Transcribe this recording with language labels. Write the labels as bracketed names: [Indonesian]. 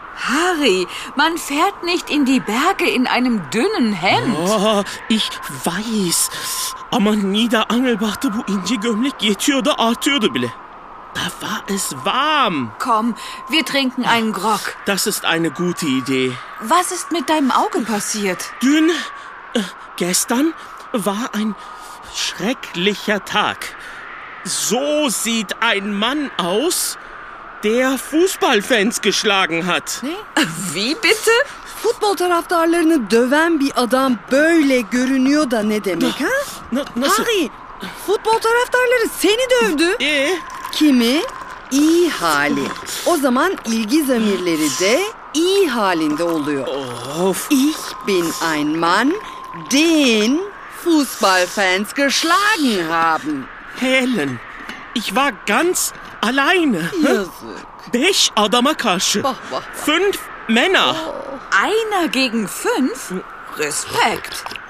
[German] Harry, man fährt nicht in die Berge in einem dünnen Hemd. Oh, ich weiß. Aber [Turkish] Niederangelbach'ta bu ince gömlek yetiyor da artıyordu bile. [German] Da war es warm. Komm, wir trinken einen Grog. Das ist eine gute Idee. Was ist mit deinem Auge passiert? Dünn, gestern war ein schrecklicher Tag. So sieht ein Mann aus, der Fußballfans geschlagen hat. [Turkish] Ne? [German] Wie bitte? [Turkish] Futbol taraftarlarını döven bir adam böyle görünüyor da ne demek ha? Harry, futbol taraftarları seni dövdü. Kimi? İyi hali. O zaman ilgi zamirleri de iyi halinde oluyor. Of. [German] Ich bin ein Mann, den Fußballfans geschlagen haben. Helen, ich war ganz alleine. [Turkish] Yazık. Beş adama karşı. Bah, bah, bah. [German] Fünf Männer. Oh. Einer gegen fünf? Respekt.